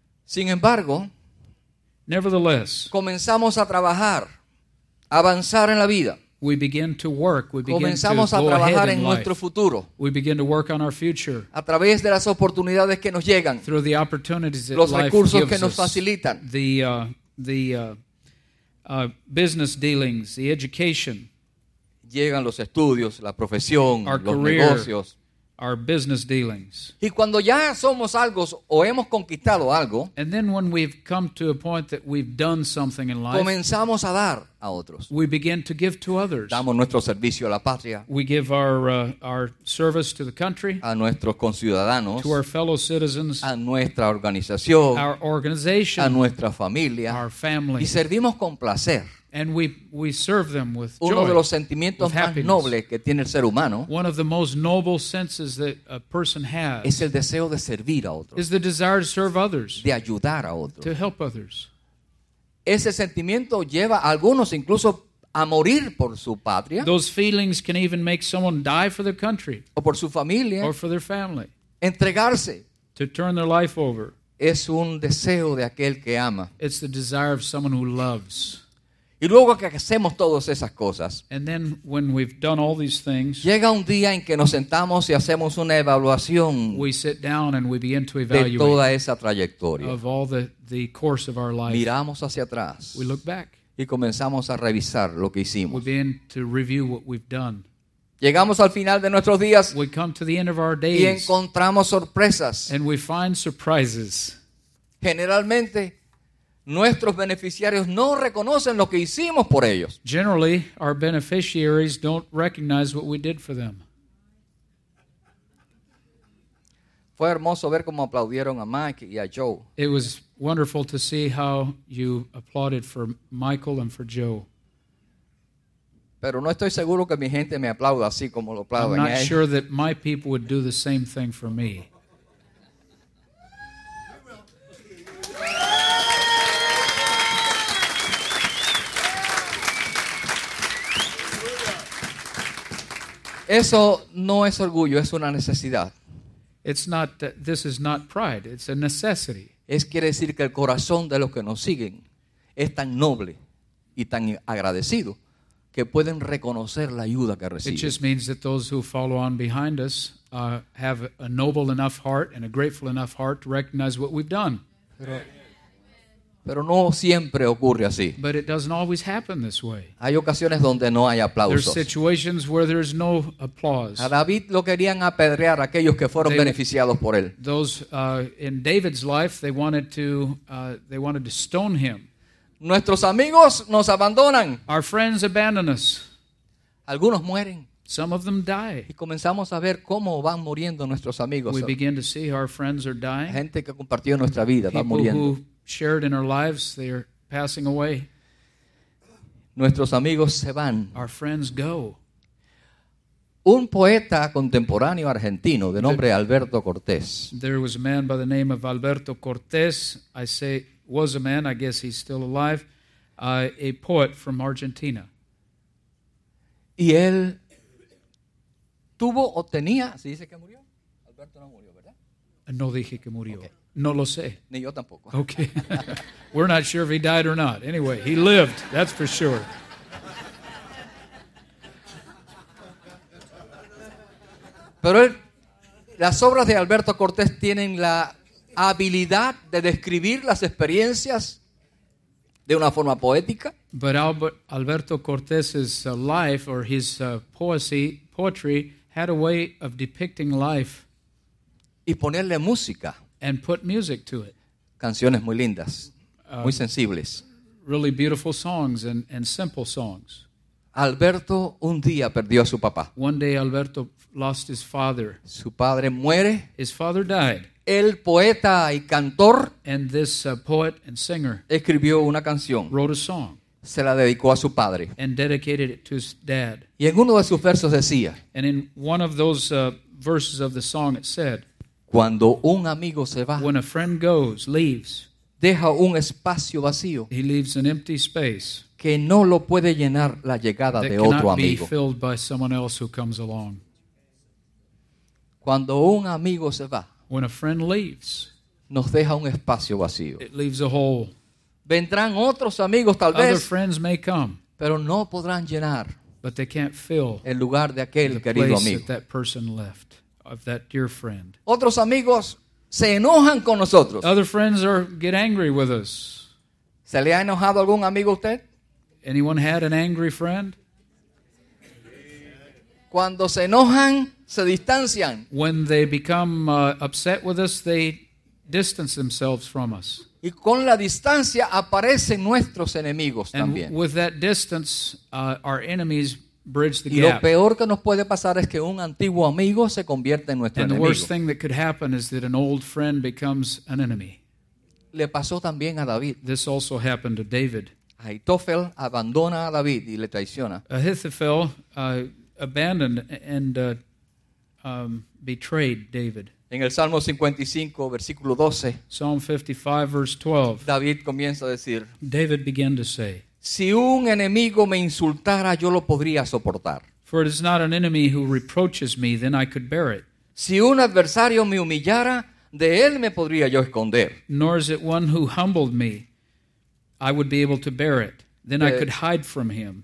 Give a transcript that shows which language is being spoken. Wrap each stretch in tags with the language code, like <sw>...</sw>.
<es>Sin embargo,</es> <en>nevertheless,</en> <es>comenzamos a trabajar, avanzar en la vida.</es> <en>We begin to work. We begin</en> <es>comenzamos</es> <en>to</en> <es>a trabajar en</es> <en>life.</en> <es>Nuestro futuro.</es> <en>We begin to work on our future.</en> <es>A través de las oportunidades que nos llegan.</es> <en>Through the opportunities that</en> <es>los</es> <en>life</en> <es>recursos</es> <en>gives</en> <es>que nos</es> <en>us.</en> <es>Facilitan.</es> <en>The business dealings, the education.</en> <es>Llegan los estudios, la profesión,</es> <en>our</en> <es>los</es> <en>career,</en> <es>negocios.</es> <en>Our business dealings.</en> <es>Y cuando ya somos algo o hemos conquistado algo.</es> <en>And then when we've come to a point that we've done something in life.</en> <es>Comenzamos a dar a otros.</es> <en>We begin to give to others.</en> <es>Damos nuestro servicio a la patria.</es> <en>We give our service to the country.</en> <es>A nuestros conciudadanos.</es> <en>To our fellow citizens.</en> <es>A nuestra organización.</es> <en>Our organization.</en> <es>A nuestra familia.</es> <en>Our family.</en> <es>Y servimos con placer.</es> <en>And we serve them with joy.</en> <es>Uno de los sentimientos más nobles que tiene el ser humano.</es> <en>One of the most noble senses that a person has.</en> <es>Es el deseo de servir a otros.</es> <en>Is the desire to serve others.</en> <es>De ayudar a otros.</es> <en>To help others.</en> <es>Ese sentimiento lleva a algunos incluso a morir por su patria.</es> <en>Those feelings can even make someone die for their country.</en> <es>O por su familia.</es> <en>Or for their family.</en> <es>Entregarse.</es> <en>To turn their life over.</en> <es>Es un deseo de aquel que ama.</es> <en>It's the desire of someone who loves.</en> <es>Y luego que hacemos todas esas cosas,</es> <en>and then when we've done all these things,</en> <es>llega un día en que nos sentamos y hacemos una evaluación</es> <en>we sit down and we begin to evaluate</en> <es>de toda esa trayectoria.</es> <en>Of all the course of our life.</en> <es>Miramos hacia atrás</es> <en>we look back.</en> <es>Y comenzamos a revisar lo que hicimos.</es> <en>We begin to review what we've done.</en> <es>Llegamos al final de nuestros días</es> <en>we come to the end of our days,</en> <es>y encontramos sorpresas.</es> <en>And we find surprises.</en> <es>Generalmente, nuestros beneficiarios no reconocen lo que hicimos por ellos.</es> <en>Generally, our beneficiaries don't recognize what we did for them.</en> <es>Fue hermoso ver cómo aplaudieron a Mike y a Joe.</es> <en>It was wonderful to see how you applauded for Michael and for Joe.</en> <es>Pero no estoy seguro que mi gente me aplauda así como lo aplauden a ellos.</es> <en>I'm not sure that my people would do the same thing for me.</en> <es>Eso no es orgullo, es una necesidad.</es> <en>It's not that this is not pride, it's a necessity.</en> <es>Es quiere decir que el corazón de los que nos siguen es tan noble y tan agradecido que pueden reconocer la ayuda que reciben.</es> <en>It just means that those who follow on behind us have a noble enough heart and a grateful enough heart to recognize what we've done.</en> <es>Pero no siempre ocurre así.</es> <en>But it doesn't always happen this way.</en> <es>Hay ocasiones donde no hay aplausos.</es> <en>There's situations where there's no applause.</en> <es>A David lo querían apedrear aquellos que fueron beneficiados por él.</es> <en>Those in David's life they wanted to stone him.</en> <es>Nuestros amigos nos abandonan.</es> <en>Our friends abandon us.</en> <es>Algunos mueren.</es> <en>Some of them die.</en> <es>Y comenzamos a ver cómo van muriendo nuestros amigos.</es> <en>We begin to see our friends are dying.</en> <es>Gente que compartió nuestra vida va muriendo.</es> <en>Shared in our lives, they are passing away.</en> <es>Nuestros amigos se van.</es> <en>Our friends go.</en> <es>Un poeta contemporáneo argentino de nombre Alberto Cortés.</es> <en>There was a man by the name of Alberto Cortés. I say was a man. I guess he's still alive. A poet from Argentina.</en> <es>Y él tuvo o tenía. ¿Se dice que murió? Alberto no murió, ¿verdad? No dije que murió. Okay. No lo sé. Ni yo tampoco. Okay.</es> <en>We're not sure if he died or not. Anyway, he lived, that's for sure.</en> <es>Pero las obras de Alberto Cortés tienen la habilidad de describir las experiencias de una forma poética.</es> <en>But Alberto Cortés's life or his poetry had a way of depicting life.</en> <es>Y ponerle música.</es> <en>And put music to it.</en> <es>Canciones muy lindas, muy sensibles.</es> <en>Really beautiful songs and simple songs.</en> <es>Alberto un día perdió a su papá.</es> <en>One day Alberto lost his father.</en> <es>Su padre muere.</es> <en>His father died.</en> <es>El poeta y cantor.</es> <en>And this poet and singer.</en> <es>Escribió una canción.</es> <en>Wrote a song.</en> <es>Se la dedicó a su padre.</es> <en>And dedicated it to his dad.</en> <es>Y en uno de sus versos decía.</es> <en>And in one of those verses of the song it said.</en> <es>Cuando un amigo se va,</es> <en>when a friend goes, leaves,</en> <es>deja un espacio vacío,</es> <en>he leaves an empty space,</en> <es>que no lo puede llenar la llegada de otro amigo.</es> <en>That cannot be filled by someone else who comes along.</en> <es>Cuando un amigo se va,</es> <en>when a friend leaves,</en> <es>nos deja un espacio vacío.</es> <en>It leaves a hole.</en> <es>Vendrán otros amigos, tal</es> <en>Other</en> <es>vez.</es> <en>Other friends may come.</en> <es>Pero no podrán llenar</es> <en>But they can't fill</en> <es>el lugar de aquel querido</es> <en>place</en> <es>amigo.</es> <en>That that person left, of that dear friend.</en> <es>Otros amigos se enojan con nosotros.</es> <en>Other friends are, get angry with us.</en> <es>¿Se le ha enojado algún amigo a usted?</es> <en>Anyone had an angry friend?</en> <es>Cuando se enojan, se distancian.</es> <en>When they become upset with us, they distance themselves from us.</en> <es>Y con la distancia aparecen nuestros enemigos también.</es> <en>And with that distance, our enemies bridge the</en> <es>gap. Y lo peor que nos puede pasar es que un antiguo amigo se convierta en nuestro enemigo.</es> <en>And the worst thing that could happen is that an old friend becomes an enemy.</en> <es>Le pasó también a David.</es> <en>This also happened to David.</en> <es>Ahitophel abandona a David y le traiciona.</es> <en>Ahithophel abandoned and betrayed David.</en> <es>En el Salmo 55, versículo 12,</es> <en>Psalm 55, verse 12,</en> <es>David comienza a decir,</es> <en>David began to say,</en> <es>si un enemigo me insultara, yo lo podría soportar.</es> <en>For it is not an enemy who reproaches me, then I could bear it.</en> <es>Si un adversario me humillara, de él me podría yo esconder.</es> <en>Nor is it one who humbled me, I would be able to bear it. Then I could hide from him.</en>